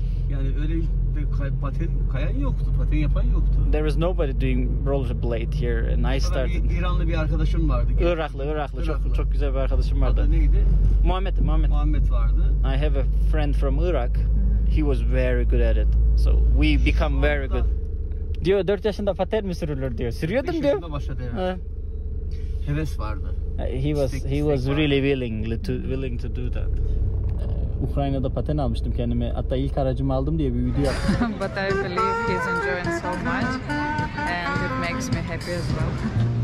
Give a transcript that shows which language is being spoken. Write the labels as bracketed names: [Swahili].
[Turkish] Yani öyle bir paten kayan yoktu, paten yapan yoktu. [English] There was nobody doing rollerblade here and I started. [Turkish] İranlı bir arkadaşım vardı. Iraklı. Çok güzel bir arkadaşım vardı. Adı neydi? Muhammed. Muhammed vardı. [English] I have a friend from Iraq. He was very good at it. So we become very good. [Turkish] Diyor 4 yaşında paten mi sürülür diyor. Sürüyordum diyor. Heves vardı. [English] He was really willing to do that. [Turkish] Ukrayna'da paten almıştım kendime. Hatta ilk aracımı aldım diye bir video yaptım. [English] But I believe he's enjoying so much and it makes me happy as well.